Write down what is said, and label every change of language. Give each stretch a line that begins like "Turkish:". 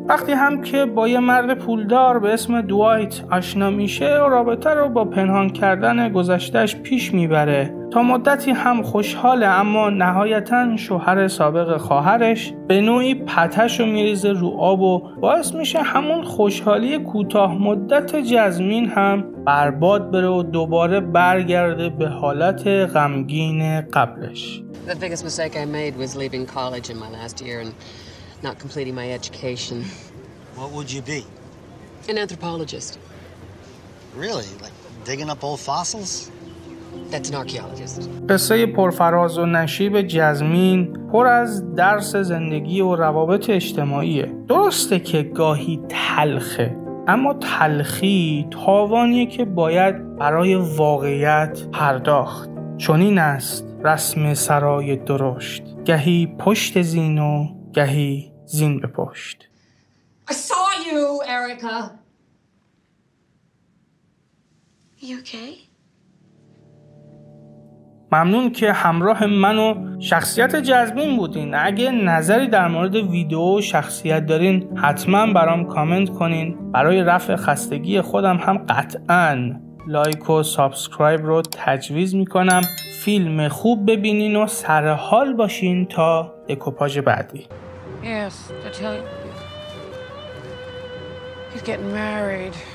Persian: وقتی هم که با یه مرد پولدار به اسم دوایت آشنا میشه و رابطه رو با پنهان کردن گذشتش پیش میبره، تا مدتی هم خوشحاله، اما نهایتاً شوهر سابق خواهرش به نوعی پتش رو میریزه رو آب و باعث میشه همون خوشحالی کوتاه مدت جزمین هم برباد بره و دوباره برگرده به حالت غمگین قبلش.
English: The biggest mistake I made was leaving college in my last year and not completing my education. What would you be? An anthropologist. Really? Like digging up old fossils? That's an archaeologist.
Persian: قصه پرفراز و نشیب جزمین پر از درس زندگی و روابط اجتماعیه. درسته که گاهی تلخه، اما تلخی تاوانیه که باید برای واقعیت پرداخت. چنین است رسم سرای درشت، گهی پشت زین و گهی زین به پشت.
English: I saw you, Erica. You okay?
Persian: ممنون که همراه من و شخصیت جزمین بودین. اگه نظری در مورد ویدیو و شخصیت دارین حتما برام کامنت کنین. برای رفع خستگی خودم هم قطعا لایک و سابسکرایب رو تجویز میکنم. فیلم خوب ببینین و سر حال باشین تا دکوپاژ بعدی.
English: Yes, I tell you. He's getting married.